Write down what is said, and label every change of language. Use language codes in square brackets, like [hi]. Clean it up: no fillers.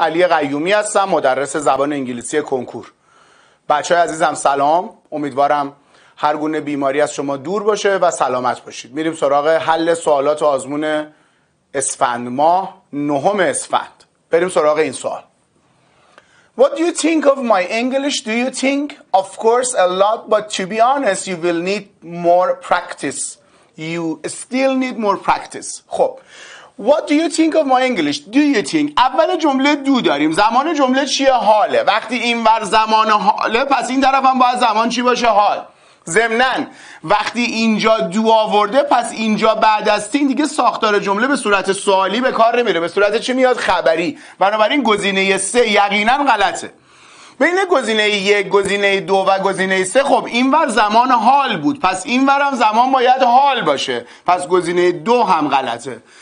[fa] علی قیومی هستم، مدرس زبان انگلیسی کنکور. بچه های عزیزم سلام، امیدوارم هر گونه بیماری از شما دور باشه و سلامت باشید. میریم سراغ حل سوالات آزمون اسفند ماه، نهم اسفند. بریم سراغ این سوال. [en] What do you think of my English? Do you think? Of course a lot, but to be honest you will need more practice. You still need more practice. خب What do you think of my English? Do you think? [fa] اول جمله دو داریم. زمان جمله چیه؟ حاله. وقتی این ور زمان حاله، پس این طرف هم باید زمان چی باشه؟ حال. ضمناً وقتی اینجا دو آورده، پس اینجا بعد از تین دیگه ساختار جمله به صورت سوالی به کار نمیره، به صورت چی میاد؟ خبری. بنابراین گزینه 3 یقیناً غلطه. بین گزینه 1، گزینه 2 و گزینه 3، خب این ور زمان حال بود، پس این ور هم زمان باید حال باشه، پس گزینه 2 هم غلطه.